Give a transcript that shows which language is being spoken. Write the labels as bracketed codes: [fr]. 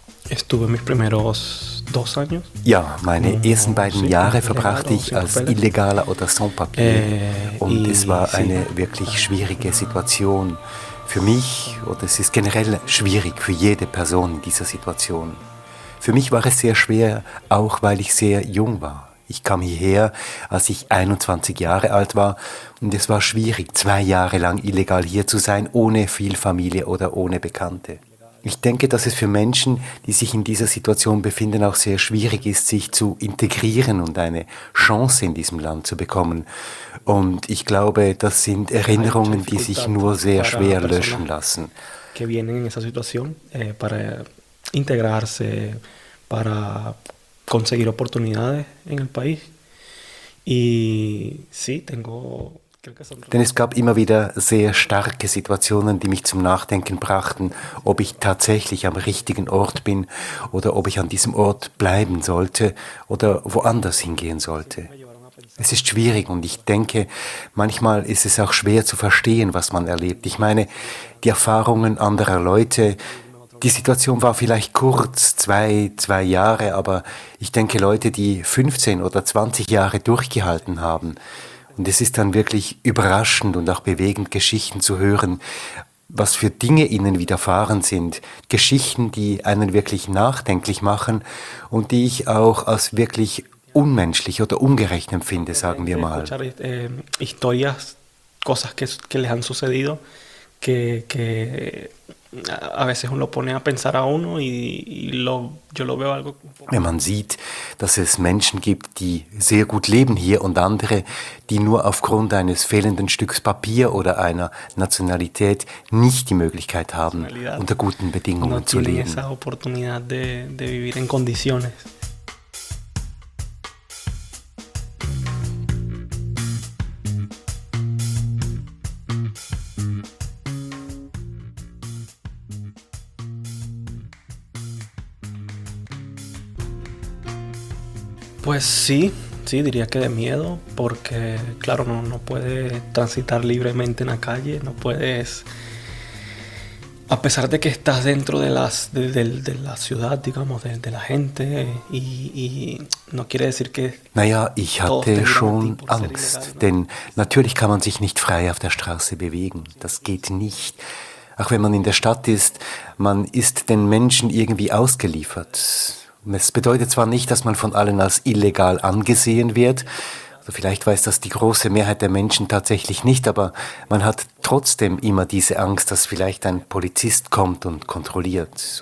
[es] Estuve mis primeros dos años. [de] Ja, meine ersten beiden Jahre verbrachte ich als Illegaler oder Sans-Papier. Und es war eine wirklich schwierige Situation für mich. Oder es ist generell schwierig für jede Person in dieser Situation. Für mich war es sehr schwer, auch weil ich sehr jung war. Ich kam hierher, als ich 21 Jahre alt war. Und es war schwierig, 2 Jahre lang illegal hier zu sein, ohne viel Familie oder ohne Bekannte. Ich denke, dass es für Menschen, die sich in dieser Situation befinden, auch sehr schwierig ist, sich zu integrieren und eine Chance in diesem Land zu bekommen. Und ich glaube, das sind Erinnerungen, die sich nur sehr schwer löschen lassen. [es] Que vienen en esa situación para integrarse, para conseguir oportunidades en el país. Y sí, tengo. [de] Denn es gab immer wieder sehr starke Situationen, die mich zum Nachdenken brachten, ob ich tatsächlich am richtigen Ort bin oder ob ich an diesem Ort bleiben sollte oder woanders hingehen sollte. Es ist schwierig und ich denke, manchmal ist es auch schwer zu verstehen, was man erlebt. Ich meine, die Erfahrungen anderer Leute, die Situation war vielleicht kurz, 2 Jahre, aber ich denke, Leute, die 15 oder 20 Jahre durchgehalten haben, und es ist dann wirklich überraschend und auch bewegend, Geschichten zu hören, was für Dinge ihnen widerfahren sind. Geschichten, die einen wirklich nachdenklich machen und die ich auch als wirklich unmenschlich oder ungerecht empfinde, sagen wir mal. [es] Historias, cosas que les han sucedido, que a veces uno pone a pensar a uno y lo, yo lo veo algo. [de] Wenn man sieht, dass es Menschen gibt, die sehr gut leben hier und andere, die nur aufgrund eines fehlenden Stücks Papier oder einer Nationalität nicht die Möglichkeit haben, unter guten Bedingungen zu leben. [es] No tienen esa oportunidad de vivir en condiciones. Pues sí, sí, diría que de miedo, porque claro, no puedes transitar libremente en la calle, no puedes, a pesar de que estás dentro de las de la ciudad, digamos, de la gente, y no quiere decir que. [de] Naja, ich hatte schon Angst, denn natürlich kann man sich nicht frei auf der Straße bewegen, das geht nicht. Auch wenn man in der Stadt ist, man ist den Menschen irgendwie ausgeliefert. Es bedeutet zwar nicht, dass man von allen als illegal angesehen wird, also vielleicht weiß das die große Mehrheit der Menschen tatsächlich nicht, aber man hat trotzdem immer diese Angst, dass vielleicht ein Polizist kommt und kontrolliert.